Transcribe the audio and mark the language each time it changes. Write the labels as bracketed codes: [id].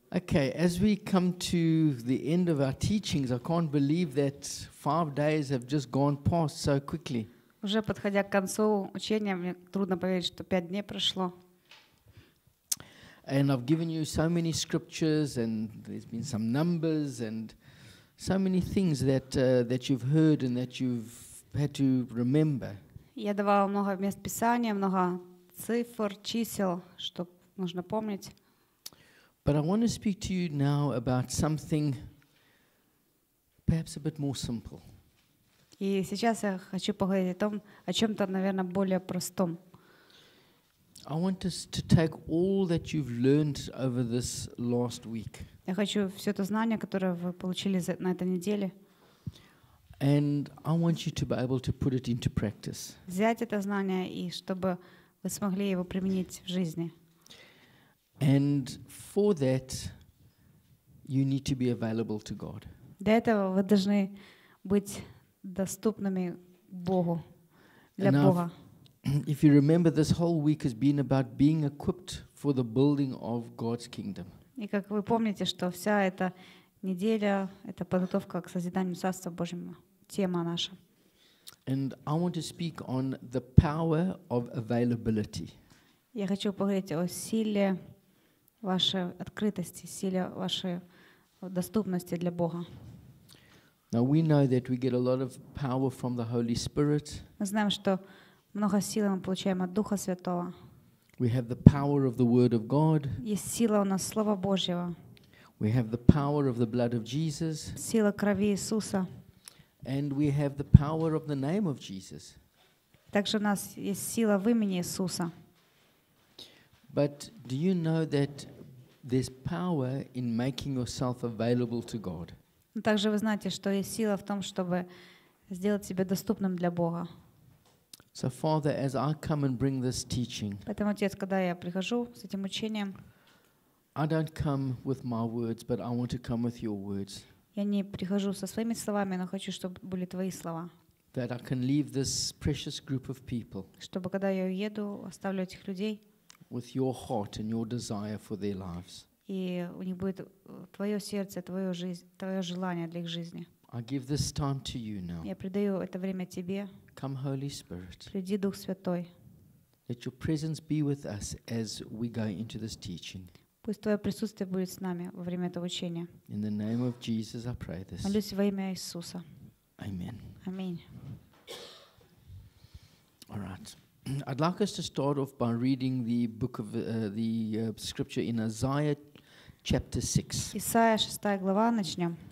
[en] Okay, as we come to the end of our teachings, I can't believe that 5 days have just gone past so quickly. [ru] Уже подходя к концу учения, мне трудно поверить, что 5 дней прошло. [en] And I've given you so many scriptures, and there's been some numbers, and so many things that that you've heard and that you've had to remember. [ru] Я давала много мест Писания, много цифр, чисел, что нужно помнить. [en] But I want to speak to you now about something perhaps a bit more simple. [ru] И сейчас я хочу поговорить о чем-то, наверное, более простом. [en] I want us to take all that you've learned over this last week. [ru] Я хочу все то знание, которое вы получили на этой неделе. [en] And I want you to be able to put it into practice. [ru] Взять это знание и чтобы вы смогли его применить в жизни. [en] And for that, you need to be available to God. [ru] Для этого вы должны быть доступными Богу, для [en] Now, [ru] Бога. [en] If you remember, this whole week has been about being equipped for the building of God's kingdom. [ru] И как вы помните, что вся эта неделя — это подготовка к созиданию Царства Божьего, тема наша. [en] And I want to speak on the power of availability. [ru] Я хочу поговорить о силе вашей открытости, силе вашей доступности для Бога. [en] Now we know that we get a lot of power from the Holy Spirit. [ru] Мы знаем, что много силы мы получаем от Духа Святого. [en] We have the power of the Word of God. [ru] Есть сила у нас Слова Божьего. [en] We have the power of the blood of Jesus. [ru] Сила крови Иисуса. [en] And we have the power of the name of Jesus. [ru] Также у нас есть сила в имени Иисуса. [en] But do you know that there's power in making yourself available to God? [ru] Также вы знаете, что есть сила в том, чтобы сделать себя доступным для Бога. [en] So Father, as I come and bring this teaching, [ru] поэтому Отец, когда я прихожу с этим учением, [en] I don't come with my words, but I want to come with Your words. [ru] Я не прихожу со своими словами, но хочу, чтобы были Твои слова. [en] That I can leave this precious group of people. [ru] Чтобы когда я уеду, оставлю этих людей. [en] With your heart and your desire for their lives. [ru] И у них будет твое сердце, твое жизнь, твое желание для их жизни. [en] I give this time to you now. [ru] Я предаю это время тебе. [en] Come Holy Spirit. [ru] Приди Дух Святой. [en] Let your presence be with us as we go into this teaching. [ru] Пусть твое присутствие будет с нами во время этого учения. [en] In the name of Jesus, I pray this. [ru] Молюсь во имя Иисуса. [en] Amen. [ru] Аминь. [en] All right. I'd like us to start off by reading the book of scripture in Isaiah chapter 6. [ru] Исайя 6 глава начнём.